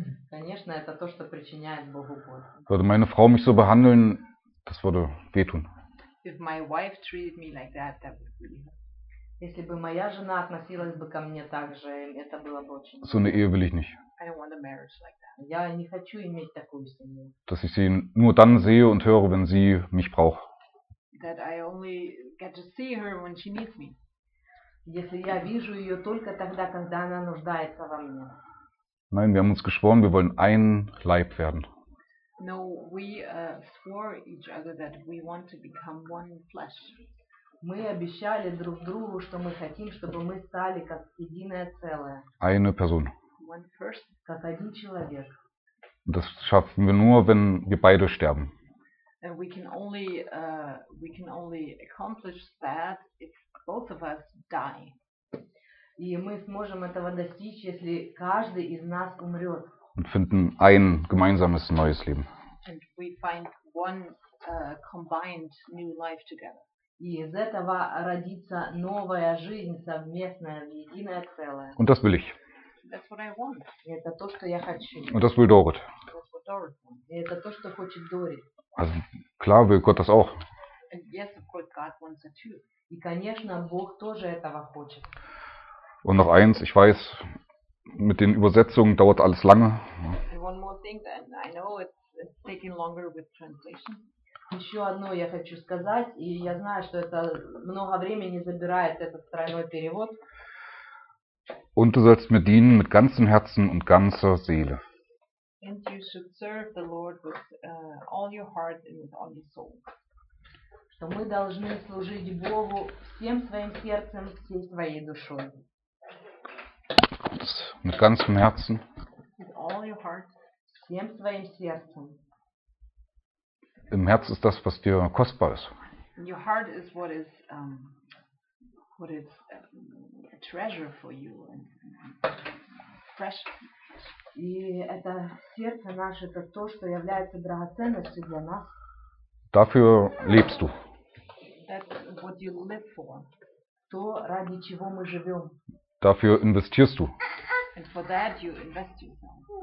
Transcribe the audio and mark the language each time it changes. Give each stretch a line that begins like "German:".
Russian: Конечно, это то, что причиняет Богу боль.
German: Würde meine Frau mich so behandeln, das würde wehtun.
English: If my wife treated me like that, that would really hurt.
Russian: Если бы моя жена относилась бы ко мне так же, это было бы очень.
German: So eine Ehe will ich nicht.
English: I don't want a marriage like that.
Russian: Я не хочу иметь такую семью.
German: Dass ich sie nur dann sehe und höre, wenn sie mich braucht.
English: That I only get to see her when she needs me.
Russian: Если я вижу ее только тогда, когда она нуждается во мне.
German: Nein, wir haben uns geschworen, wir wollen ein Leib werden.
English: No, we swore each other that we want to become one flesh.
Russian: Мы обещали друг другу, что мы хотим, чтобы мы стали как единое целое.
German: Eine Person.
English: one person.
Russian: Как один человек.
German: Das schaffen wir nur, wenn wir beide sterben.
English: And we can only accomplish that if both of us die.
Russian: И мы сможем этого достичь, если каждый из нас умрет.
German: Und finden ein gemeinsames neues Leben.
English: And we find one combined new life together.
Russian: И из этого родится новая жизнь совместная, единое целое.
German: Und das will ich.
English: That's what I want.
Russian: И это то, что я хочу.
German: Und das will Dorit.
English: That's what Dorit wants.
Russian: И это то, что хочет Дорит.
German: Also klar will Gott das auch.
English: And yes, of course, God wants it too.
Russian: И конечно, Бог тоже этого хочет.
German: Und noch eins, ich weiß, mit den Übersetzungen dauert alles lange.
English: And one more thing, and I know it's taking longer with translation.
Russian: Еще одно я хочу сказать, и я знаю, что это много времени забирает, этот тройной перевод.
German: Und du sollst mir dienen mit ganzem Herzen und ganzer Seele.
English: And you should serve the Lord with all your heart and with all your soul.
Russian: Что мы должны служить Богу всем своим сердцем, всей своей душой.
German: Mit ganzem Herzen.
English: With all your heart.
Russian: Всем своим сердцем.
German: Im Herz ist das, was dir kostbar ist.
English: And your heart is what is a treasure for you and fresh.
Russian: И это сердце наше, это то, что является драгоценностью для нас.
German: Dafür lebst du.
English: That's what you live for.
Russian: То, ради чего мы живем.
German: Dafür investierst du.
English: And for that you invest yourself.